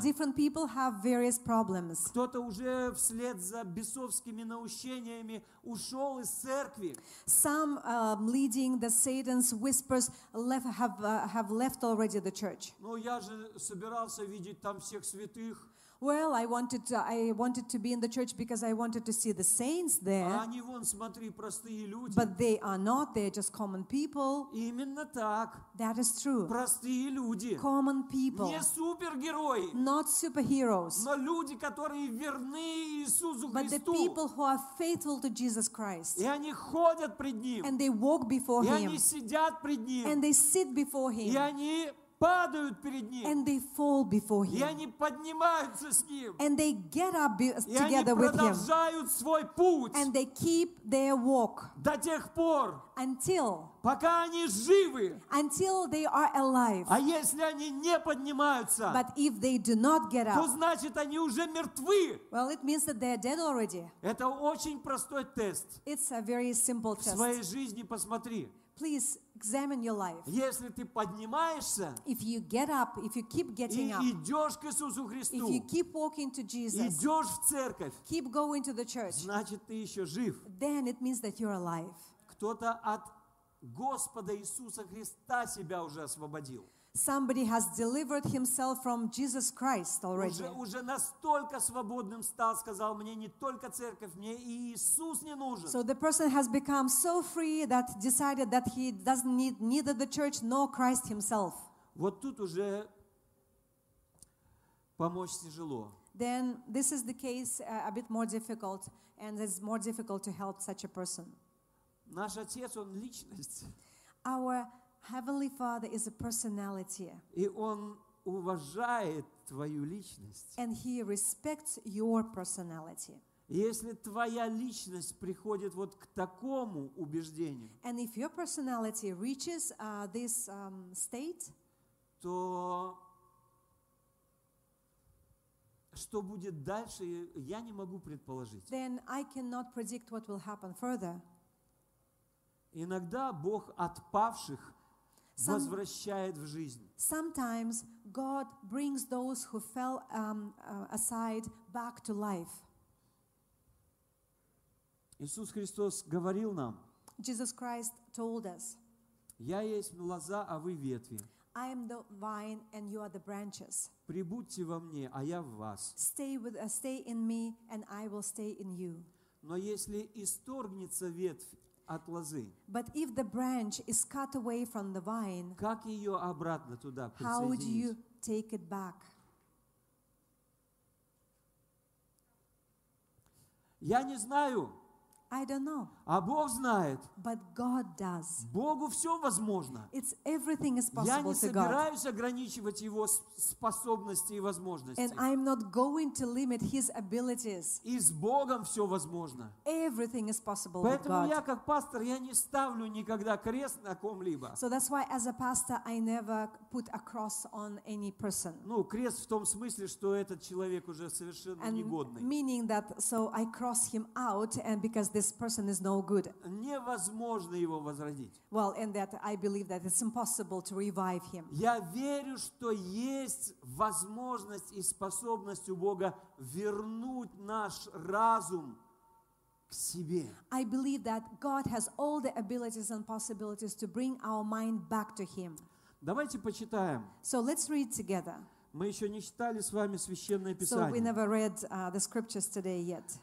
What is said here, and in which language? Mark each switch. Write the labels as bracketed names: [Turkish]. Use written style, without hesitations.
[English] Different people have various problems. [Russian] Кто-то уже вслед за бесовскими наущениями ушел из церкви. [English] Some leading the Satan's whispers have left already the church. [Russian] Но я же собирался видеть там всех святых. [English] Well, I wanted to be in the church because I wanted to see the saints there. [Russian] А они вон, смотри, простые люди. [English] But they are not, they're just common people. [Russian] Именно так. [English] That is true. [Russian] Простые люди. [English] Common people. [Russian] Не супергерои. [English] Not superheroes. [Russian] Но люди, которые верны Иисусу Христу. [English] But the people who are faithful to Jesus Christ. [Russian] И они ходят пред Ним. [English] And they walk before [Russian] И [English] Him. [Russian] И они сидят пред Ним. [English] And they sit before Him. [Russian] И они падают перед Ним. [English] And they fall before Him. [Russian] И они поднимаются с Ним. [English] And they get up together with Him. [Russian] И они продолжают свой путь. [English] And they keep their walk. [Russian] До тех пор. [English] Until. [Russian] Пока они живы. [English] Until they are alive. [Russian] А если они не поднимаются. [English] But if they do not get up. [Russian] То значит, они уже мертвы. [English] Well, it means that they are dead already. [Russian] Это очень простой тест. [English] It's a very simple test. [Russian] В своей жизни посмотри. [English] Please examine your life. [Russian] Если ты поднимаешься, [English] if you get up, if you keep getting up, [Russian] и идешь к Иисусу Христу, [English] if you keep walking to Jesus, [Russian] идешь в церковь, [English] keep going to the church, [Russian] значит, ты еще жив. [English] Then it means that you're alive. [Russian] Кто-то от Господа Иисуса Христа себя уже освободил. [English] Somebody has delivered himself from Jesus Christ already. [Russian] Уже настолько свободным стал, сказал, мне не только церковь, мне и Иисус не нужен. [English] So the person has become so free that decided that he doesn't need neither the church nor Christ himself. [Russian] Вот тут уже помочь тяжело. [English] Then this is the case a bit more difficult, and it's more difficult to help such a person. [Russian] Наш отец, он личность. [English] Our Heavenly Father is a personality. [Russian] И он уважает твою личность. [English] And he respects your personality. [Russian] Если твоя личность приходит вот к такому убеждению. [English] And if your personality reaches this state, [Russian] то что будет дальше, я не могу предположить. [English] Then I cannot predict what will happen further. [Russian] Иногда Бог отпавших возвращает в жизнь. [English] Sometimes God brings those who fell aside back to life. [Russian] Иисус Христос говорил нам. [English] Jesus Christ told us. [Russian] Я есть лоза, а вы ветви. [English] I am the vine and you are the branches. [Russian] Прибудьте во мне, а я в вас. [English] Stay in me and I will stay in you. [Russian] Но если исторгнется ветвь от лозы. [English] But if the branch is cut away from the vine, [Russian] как ее обратно туда присоединить? [English] How would you take it back? [Russian] Я не знаю. [English] I don't know. [Russian] А Бог знает. [English] But God does. [Russian] Богу все возможно. [English] It's everything is possible. [Russian] Я не собираюсь ограничивать Его способности и возможности. [English] And I'm not going to limit His abilities. [Russian] И с Богом все возможно. [English] Everything is possible. [Russian] Поэтому [English] with God. [Russian] Я как пастор, я не ставлю никогда крест на ком-либо. [English] So that's why as a pastor I never put a cross on any person. [Russian] Ну, крест в том смысле, что этот человек уже совершенно [English] and [Russian] негодный. [English] Meaning that so I cross him out and because this person is no good. [Russian] Невозможно его возродить. [English] Well, and that I believe that it's impossible to revive him. [Russian] Я верю, что есть возможность и способность у Бога вернуть наш разум к себе. [English] I believe that God has all the abilities and possibilities to bring our mind back to him. [Russian] Давайте почитаем. [English] So let's read together. [Russian] Мы еще не читали с вами Священное Писание. [English] So we never read the scriptures today yet.